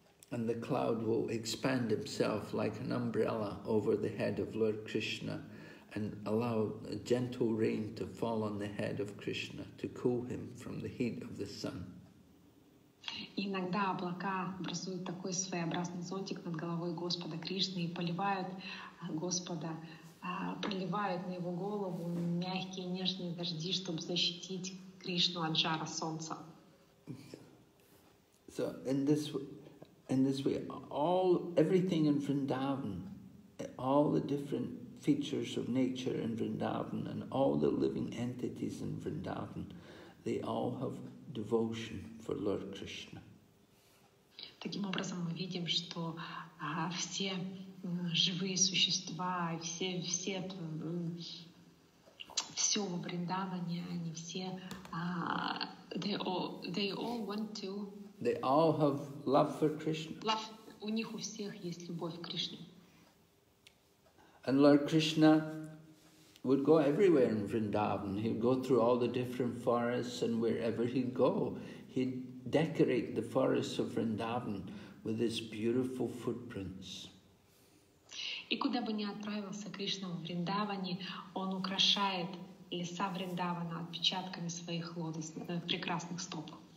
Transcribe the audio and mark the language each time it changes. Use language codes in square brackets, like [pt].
[en] And the cloud will expand itself like an umbrella over the head of Lord Krishna and allow a gentle rain to fall on the head of Krishna to cool him from the heat of the sun. [ru] Иногда облака образуют такой своеобразный зонтик над головой Господа Кришны и поливают Господа, проливают на его голову мягкие нежные дожди, чтобы защитить Кришну от жара солнца. [en] So in this In this way, everything in Vrindavan, all the different features of nature in Vrindavan and all the living entities in Vrindavan, they all have devotion for Lord Krishna. [ru] Таким образом, мы видим, что все живые существа, все во Вриндаване, они все, [en] they all want to... They all have love for Krishna. [ru] У них у всех есть любовь к Кришне. [en] And Lord Krishna would go everywhere in Vrindavan. He'd go through all the different forests, and wherever he'd go, he'd decorate the forests of Vrindavan with his beautiful footprints. [ru] И куда бы ни отправился Кришна в Вриндаване, он украшает леса Вриндавана отпечатками своих лотос, прекрасных стоп.